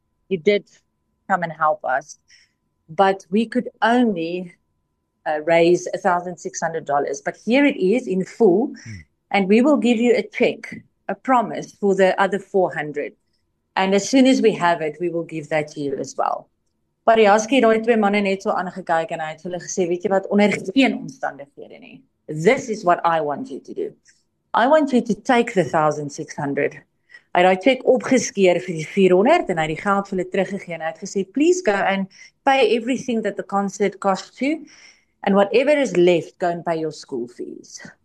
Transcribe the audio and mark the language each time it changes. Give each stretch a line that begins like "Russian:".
English: You did come and help us. But we could only raise $1,600. But here it is in full and we will give you a check, a promise for the other 400. And as soon as we have it, we will give that to you as well.
Afrikaans: Pariaski het daai twee manne net so aangekyk en hy het hulle gesê, weet jy wat, onder geen omstandighede nie.
English: This is what I want you to do. I want you to take the 1,600.
Afrikaans: Hy het daai cheque opgeskeer vir die 400 en hy het die geld vir hulle teruggegee en hy het gesê,
English: please go and pay everything that the concert costs you and whatever is left, go and pay your school fees.